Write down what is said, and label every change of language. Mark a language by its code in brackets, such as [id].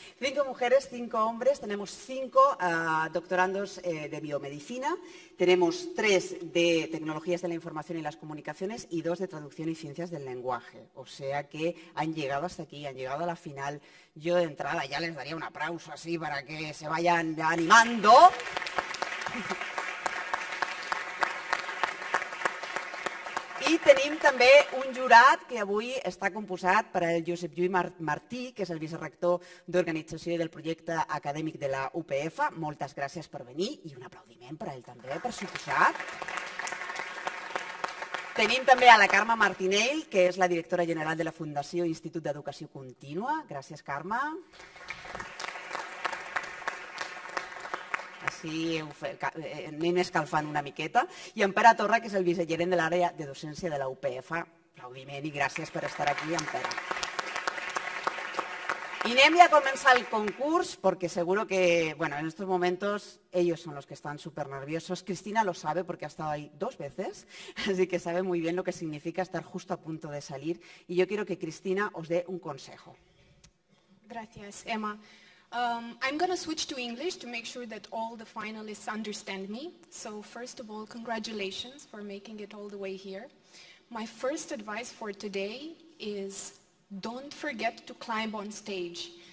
[es] 5 mujeres, 5 hombres, tenemos 5 doctorandos de biomedicina, tenemos 3 de tecnologías de la información y las comunicaciones y 2 de traducción y ciencias del lenguaje. O sea que han llegado hasta aquí, han llegado a la final. Yo de entrada ya les daría un aplauso así para que se vayan animando. [ca] I tenim també un jurat que avui està composat per el Josep Lluís Martí, que és el vicerrector d'Organització i del Projecte Acadèmic de la UPF. Moltes gràcies per venir i un aplaudiment per ell també, per suposat. Tenim també a la Carme Martinell, que és la directora general de la Fundació Institut d'Educació Contínua. Gràcies, Carme. Sí, anem escalfant una miqueta. I en Pere Torra, que és el vicegerent de l'àrea de docència de la UPF. Aplaudiment i gràcies per estar aquí, en Pere. I anem ja a començar el concurs, perquè [es] seguro que, bueno, en estos momentos ellos son los que están súper nerviosos. Cristina lo sabe porque ha estado ahí 2 veces, así que sabe muy bien lo que significa estar justo a punto de salir. Y yo quiero que Cristina os dé un consejo. Gracias, Emma. [en] I'm going to switch to English to make sure that all the finalists understand me. So first of all, congratulations for making it all the way here. My first advice for today is don't forget to climb on stage.